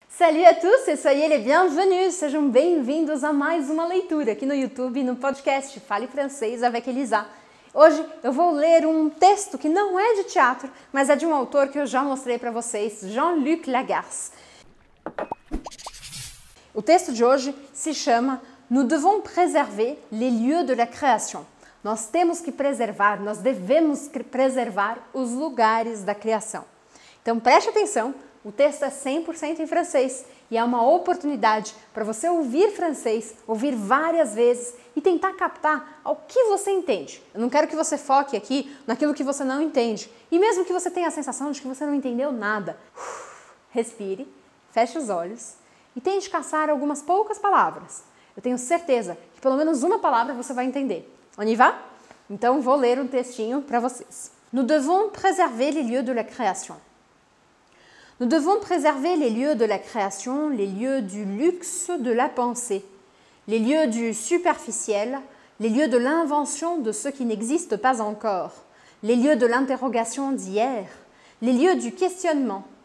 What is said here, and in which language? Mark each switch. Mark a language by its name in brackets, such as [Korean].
[French] Salut a tous e soyez les bienvenus! [Portuguese] Sejam bem-vindos a mais uma leitura aqui no YouTube e no podcast Fale Francês avec Elisa. Hoje eu vou ler um texto que não é de teatro, mas é de um autor que eu já mostrei para vocês, Jean-Luc Lagarce. O texto de hoje se chama [French] Nous devons préserver les lieux de la création. [Portuguese] Nós temos que preservar, nós devemos preservar os lugares da criação. Então preste atenção, o texto é 100% em francês e é uma oportunidade para você ouvir francês, ouvir várias vezes e tentar captar o que você entende. Eu não quero que você foque aqui naquilo que você não entende. E mesmo que você tenha a sensação de que você não entendeu nada, respire, feche os olhos e tente caçar algumas poucas palavras. Eu tenho certeza que pelo menos uma palavra você vai entender. [French] On y va? [Portuguese] Então vou ler um textinho para vocês. [French] Nous devons préserver les lieux de la création. Nous devons préserver les lieux de la création, les lieux du luxe de la pensée, les lieux du superficiel, les lieux de l'invention de ce qui n'existe pas encore, les lieux de l'interrogation d'hier, les lieux du questionnement.